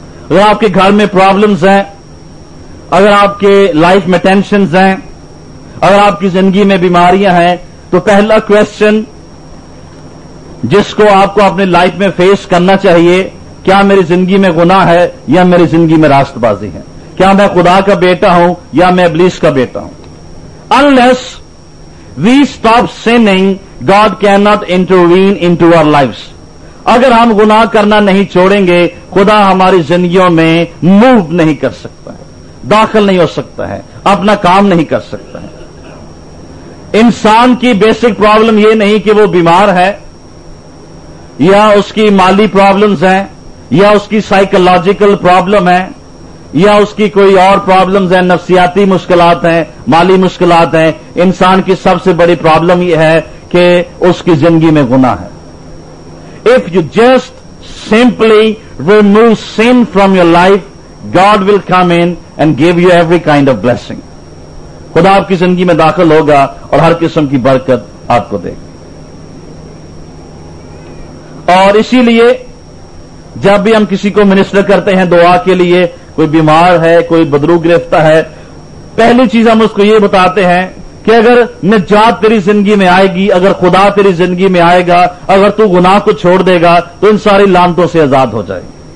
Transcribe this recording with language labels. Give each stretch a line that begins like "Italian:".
Urdu: اگر آپ کے گھر میں پرابلمز ہیں، اگر آپ کے لائف میں ٹینشنز ہیں، اگر آپ کی زندگی میں بیماریاں ہیں، تو پہلا کوشچن جس کو آپ کو اپنے لائف میں فیس کرنا چاہیے، کیا میری زندگی میں گناہ ہے یا میری زندگی میں راست بازی ہے، کیا میں خدا کا بیٹا ہوں یا میں ابلیس کا بیٹا ہوں.
English: Unless we stop sinning, God cannot intervene into our lives.
Urdu: اگر ہم گناہ کرنا نہیں چھوڑیں گے، خدا ہماری زندگیوں میں موو نہیں کر سکتا ہے، داخل نہیں ہو سکتا ہے، اپنا کام نہیں کر سکتا ہے. انسان کی بیسک پرابلم یہ نہیں کہ وہ بیمار ہے یا اس کی مالی پرابلمز ہیں یا اس کی سائیکولوجیکل پرابلم ہے یا اس کی کوئی اور پرابلمز ہیں، نفسیاتی مشکلات ہیں، مالی مشکلات ہیں. انسان کی سب سے بڑی پرابلم یہ ہے کہ اس کی زندگی میں گناہ ہے.
English: If you just simply remove sin from your life, God will come in and give you every kind of blessing.
Urdu: خدا آپ کی زندگی میں داخل ہوگا اور ہر قسم کی برکت آپ کو دے گا. اور اسی لیے جب بھی ہم کسی کو منسٹر کرتے ہیں دعا کے لیے، کوئی بیمار ہے، کوئی بدرو گرفتہ ہے، پہلی چیز ہم اس کو یہ بتاتے ہیں کہ اگر نجات تیری زندگی میں آئے گی، اگر خدا تیری زندگی میں آئے گا، اگر تو گناہ کو چھوڑ دے گا تو ان ساری لانتوں سے آزاد ہو جائے گی.